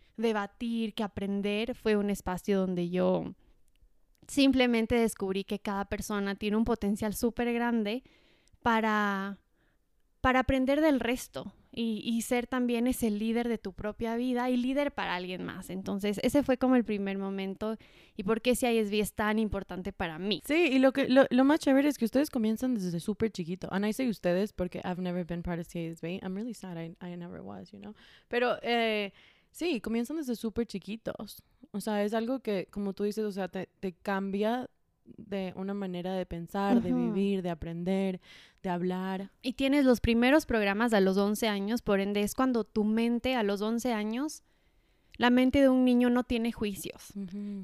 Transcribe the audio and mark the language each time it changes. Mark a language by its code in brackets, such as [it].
[es] debatir, que aprender, fue un espacio donde yo simplemente descubrí que cada persona tiene un potencial súper grande para aprender del resto y ser también ese líder de tu propia vida y líder para alguien más. Entonces, ese fue como el primer momento y por qué CISB es tan importante para mí. Sí, y lo más chévere es que ustedes comienzan desde súper chiquito. [en] And I say ustedes [es] porque [en] I've never been part of CISB. I'm really sad I never was, you know. [es] Pero... Sí, comienzan desde súper chiquitos. O sea, es algo que, como tú dices, o sea, te cambia de una manera de pensar, uh-huh, de vivir, de aprender, de hablar. Y tienes los primeros programas a los 11 años, por ende, es cuando tu mente a los 11 años, la mente de un niño no tiene juicios. Uh-huh.